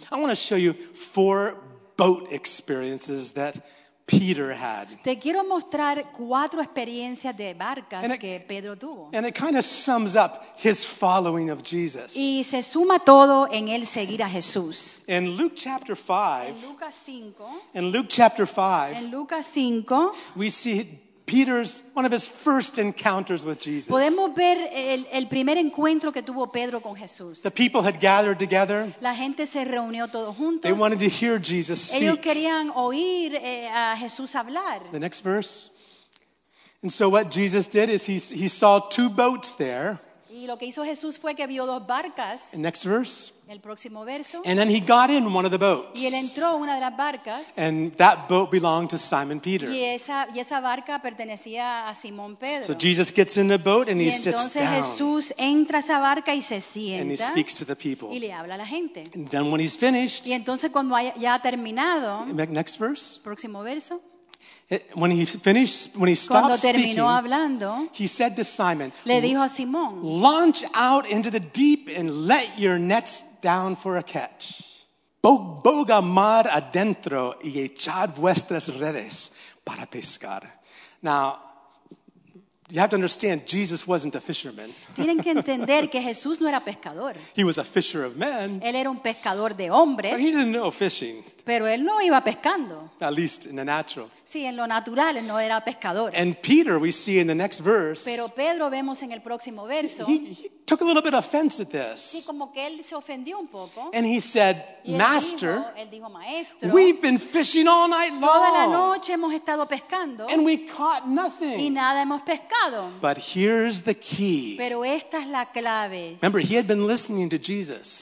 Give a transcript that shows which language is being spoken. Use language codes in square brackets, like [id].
[en] I want to show you 4 boat experiences that Peter had. [es] Te quiero mostrar 4 experiencias de barcas que Pedro tuvo. [en] And it kind of sums up his following of Jesus. [es] Y se suma todo en él seguir a Jesús. [en] In Luke chapter 5. [es] En Lucas 5. [en] In Luke chapter 5. [es] En Lucas 5. [en] We see Peter's one of his first encounters with Jesus. [es] Podemos ver el primer encuentro que tuvo Pedro con Jesús. [en] The people had gathered together. [es] La gente se reunió todos juntos. [en] They wanted to hear Jesus speak. [es] Ellos querían oír a Jesús hablar. [en] The next verse. And so what Jesus did is he saw 2 boats there. [es] Y lo que hizo Jesús fue que vio 2 barcas. [en] The next verse. [es] El próximo verso. [en] And then he got in one of the boats. [es] Y él entró una de las barcas. [en] And that boat belonged to Simon Peter. [es] Y esa barca pertenecía a Simón Pedro. [en] So Jesus gets in the boat and [es] y [en] he sits down. [es] Y entonces Jesús entra a esa barca y se sienta. [en] And he speaks to the people. [es] Y le habla a la gente. [en] And then when he's finished. [es] Y entonces cuando ya ha terminado. [en] Next verse. [es] Próximo verso. [en] When he finished, when he stopped speaking, [es] hablando, [en] he said to Simon, [es] le dijo a Simón, [en] launch out into the deep and let your nets down for a catch. [es] Boga mar adentro y echad vuestras redes para pescar. [en] Now, you have to understand, Jesus wasn't a fisherman. [es] Tienen que entender que Jesús no era pescador. [en] He was a fisher of men. [es] Él era un pescador de hombres. [en] But he didn't know fishing. [es] Pero él no iba pescando. [en] At least in the natural. [es] Sí, en lo natural, él no era pescador. [en] And Peter, we see in the next verse. [es] Pero Pedro vemos en el próximo verso. [en] He took a little bit of offense at this. [es] Sí, como que él se ofendió un poco. [en] And he said, Master, [es] él dijo, Maestro, [en] we've been fishing all night long. [es] Toda la noche hemos estado pescando. [en] And we caught nothing. [es] Y nada hemos pescado. [en] But here's the key. [es] Pero esta es la clave. [en] Remember, he had been listening to Jesus.